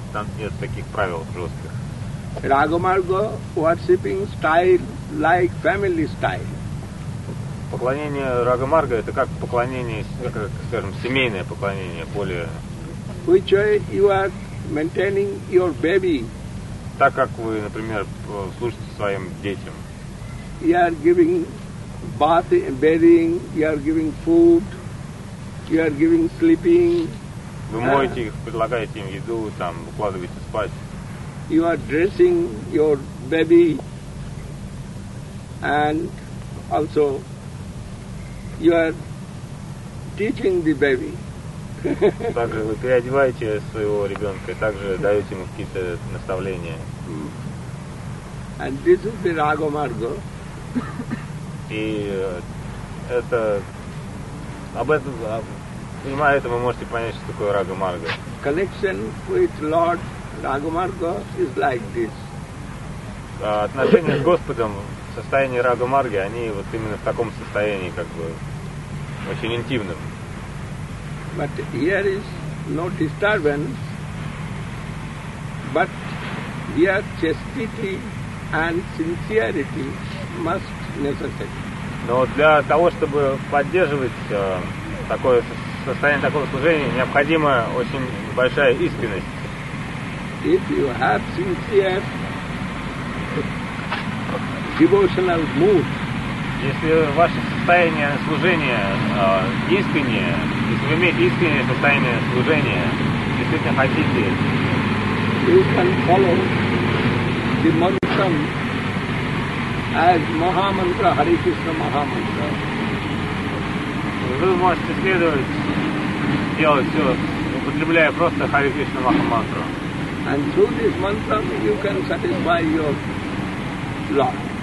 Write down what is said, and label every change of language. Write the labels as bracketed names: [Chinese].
[Russian] Там нет таких правил жестких. [English] Рагамарго worshipping style like family style. [Russian] Поклонение рагамарго это как поклонение, как, скажем, семейное поклонение, более. [English] Which way you are maintaining your baby? [Russian] Так как вы, например, служите своим детям. [English] You are giving bath, bathing, you are giving food. You are giving sleeping. [Russian] Вы моете их, предлагаете им еду, там, укладываете спать. [English] You are dressing your baby. And also, you are teaching the baby. [Russian] Также вы переодеваете своего ребенка, также даете ему какие-то наставления. [English] And this is the Raga Marga. [Russian] И это... Об этом... Понимая это, вы можете понять, что такое рага-марга. [English] Connection with Lord Рагамарга is like this. [Russian] Отношения с Господом в состоянии рага-марги, они вот именно в таком состоянии, как бы, очень интимном. [English] But here is no disturbance, but here chastity and sincerity must necessary. [Russian] Но для того, чтобы поддерживать такое состояние, в состоянии такого служения необходима очень большая искренность. [English] If you have sincere devotional mood, [Russian] если ваше состояние служения искреннее, если вы имеете искреннее состояние служения, действительно хотите, [English] you can follow the mantra as Mahamantra, Hare Krishna Mahamantra. [Russian] Вы можете следовать, делать все, употребляя просто Хари Кришна Маха мантру. [English] And through this mantra you can satisfy your love.